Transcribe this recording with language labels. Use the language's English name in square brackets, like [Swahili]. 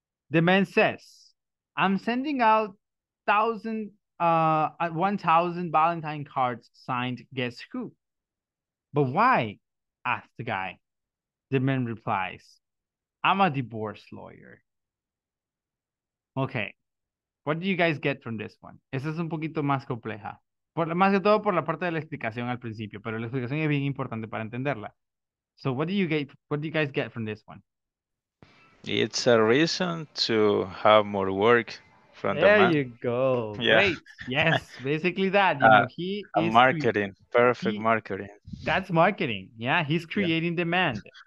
[English] The man says, I'm sending out 1,000 Valentine cards signed guess who. But why? Asked the guy. The man replies, I'm a divorce lawyer. Okay. What do you guys get from this one? [Spanish] Esa es un poquito más compleja. Más que todo por la parte de la explicación al principio, pero la explicación es bien importante para entenderla. [English] So what do you guys get from this one? It's a reason to have more work from there the man. There you go. Yeah. Great. Yes, basically that. You know, he a is marketing. Perfect marketing. That's marketing. Yeah, he's creating demand.